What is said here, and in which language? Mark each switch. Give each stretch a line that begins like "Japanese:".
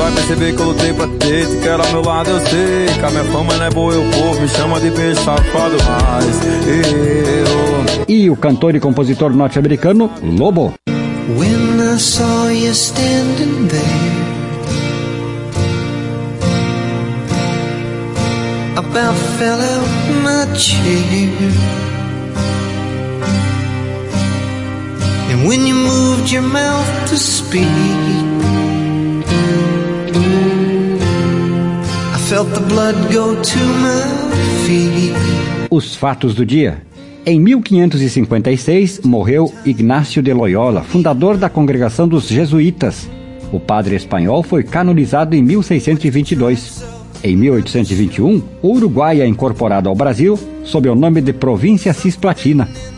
Portuguese: Percebi que eu lutei pra ter, te quero ao meu lado, eu sei. Que a minha fama não é boa, o povo me chama de peixe safado, mas eu... E o cantor e compositor norte-americano, Lobo.
English: When I saw you standing there, about fell out my chair. And when you moved your mouth to speak, felt the blood go to my feet.
Portuguese: Os fatos do dia. Em 1556, morreu Ignácio de Loyola, fundador da Congregação dos Jesuítas. O padre espanhol foi canonizado em 1622. Em 1821, o Uruguai é incorporado ao Brasil sob o nome de Província Cisplatina.